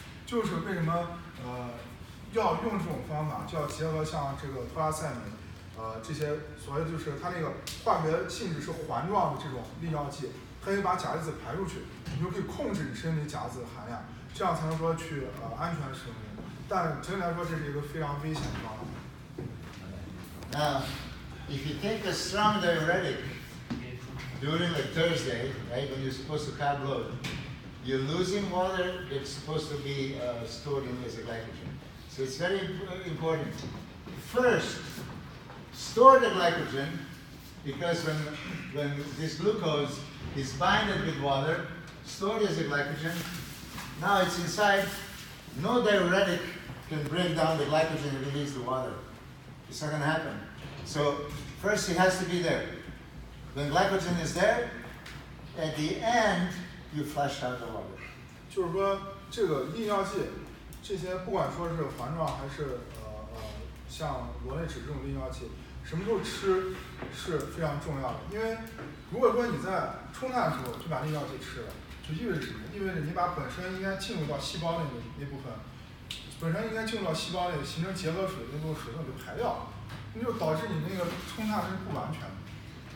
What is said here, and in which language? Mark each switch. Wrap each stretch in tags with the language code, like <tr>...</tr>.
<zh>就是为什么要用这种方法，就要结合像这个托拉塞米这些所谓就是它那个化学性质是环状的这种利尿剂，它可以把钾离子排出去，你就可以控制你身体钾离子的含量，这样才能说去安全使用。但整体来说，这是一个非常危险的方法。</zh> <en>If you take a strong diuretic during like Thursday, right, when you're supposed to carb load, you're losing water that's supposed to be stored in as a glycogen. So it's very important. First, store the glycogen, because when this glucose is binded with water, stored as a glycogen, now it's inside. No diuretic can break down the glycogen and release the water. It's not going to happen. So first, it has to be there. When glycogen is there, at the end, you flush out the water.</en> <zh>就是说，这个利尿剂，这些不管说是环状还是像螺内酯这种利尿剂，什么时候吃是非常重要的。因为如果说你在冲碳的时候就把利尿剂吃了，就意味着什么？意味着你把本身应该进入到细胞内的那部分，本身应该进入到细胞内形成结合水的那部分水分就排掉了。就导致你那个冲碳是不完全的。</zh>